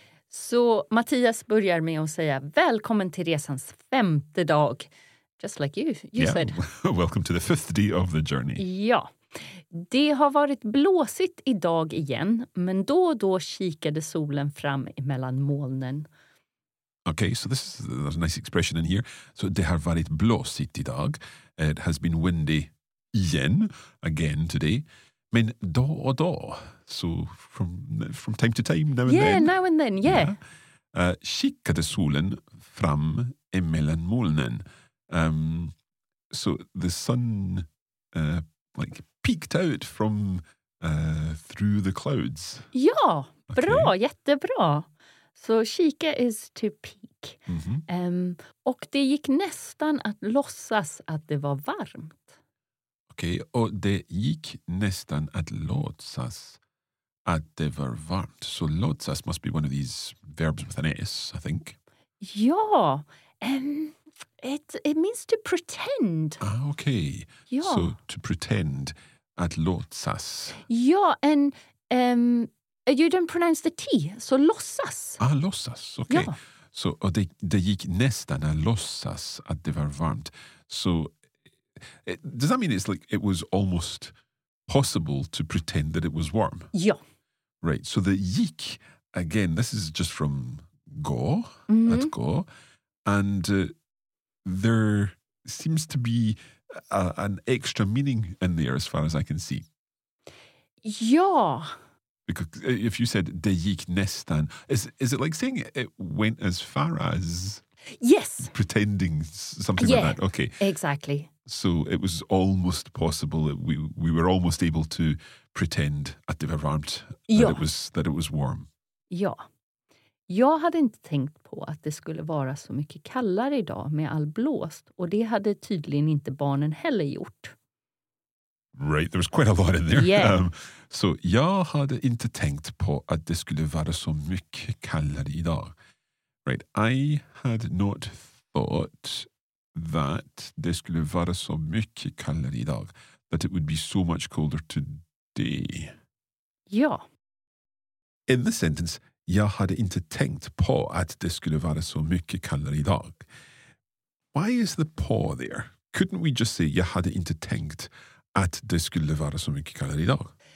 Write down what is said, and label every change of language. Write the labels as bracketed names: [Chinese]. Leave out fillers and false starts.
[Swedish] Så Mattias börjar med att säga välkommen till resans femte dag. [English] Just like you said. Welcome to the fifth day of the journey. [Swedish] Ja. Det har varit blåsigt idag igen, men då och då kikade solen fram emellan molnen. [English] Okay, so this is there's a nice expression in here. So [Swedish] det har varit blåsigt idag. [English] It has been windy again today. [Swedish] Men då och då. [English] So from time to time, now and yeah, then. Yeah, now and then, yeah. [Swedish] Kikade solen fram emellan molnen. [English] so the sun like peeked out from through the clouds. [Swedish] Ja, bra, okay. Jättebra. Så kika [English] is to peek. Mm-hmm. [Swedish] Och det gick nästan att låtsas att det var varmt. Okej, okay, och det gick nästan att låtsas att det var varmt. [English] So låtsas must be one of these verbs with an S, I think. Ja, it means to pretend. [Swedish] Ah, okej. Okay. [English] Ja. So to pretend [Swedish] att låtsas. [English] Ja, and you don't pronounce the T, so låtsas. [Swedish] Ah, låtsas, okej. Okay. Ja. So, och det gick nästan att låtsas att det var varmt. [English] So, does that mean it's like it was almost possible to pretend that it was warm? [Swedish] Ja. [English] Right, so the gick, again, this is just from gå, mm-hmm. [Swedish] att gå. [English] And there seems to be an extra meaning in there as far as I can see. [Swedish] Ja. [English] Because if you said [Swedish] det gick nästan, [English] is it like saying it went as far as? Yes. Pretending something like that. Okay. Exactly. So it was almost possible that we were almost able to pretend [Swedish] att det var varmt, [English] that it was warm. [Swedish] Ja. Jag hade inte tänkt på att det skulle vara så mycket kallare idag med all blåst, och det hade tydligen inte barnen heller gjort. [English] Right, there was quite a lot in there. Yeah. [Swedish] So jag hade inte tänkt på att det skulle vara så mycket kallare idag. [English] Right, I had not thought that [Swedish] det skulle vara så mycket kallare idag, [English] that it would be so much colder today. [Swedish] Ja. [English] In the sentence, [Swedish] jag hade inte tänkt på att det skulle vara så mycket kallare idag. [English] Why is the på there? Couldn't we just say [Swedish] jag hade inte tänkt att det skulle vara så mycket kallare idag?